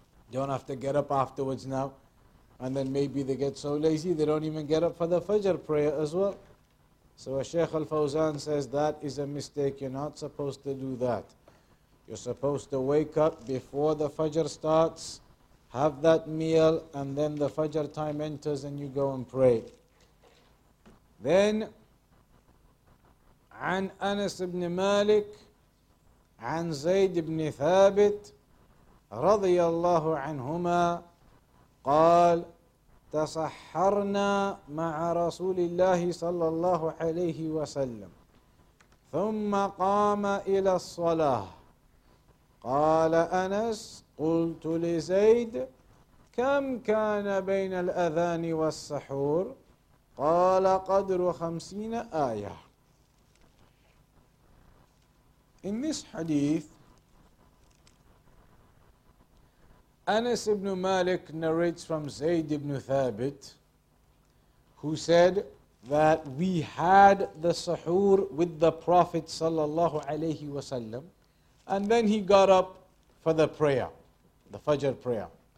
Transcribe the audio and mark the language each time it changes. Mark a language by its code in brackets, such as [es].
[en] You don't have to get up afterwards now. And then maybe they get so lazy they don't even get up for the Fajr prayer as well. So Shaykh Al-Fawzan says that is a mistake. You're not supposed to do that. You're supposed to wake up before the Fajr starts, have that meal, and then the Fajr time enters and you go and pray. [ar] Then, عن أنس بن مالك عن زيد بن ثابت رضي الله عنهما قال تسحرنا مع رسول الله صلى الله عليه وسلم ثم قام إلى الصلاة قال أنس قلت لزيد كم كان بين الأذان والسحور قال قدر 50 آية. [en] In this hadith, Anas ibn Malik narrates from Zayd ibn Thabit, who said that we had the sahur with the Prophet sallallahu alayhi wasallam, and then he got up for the prayer, the Fajr prayer.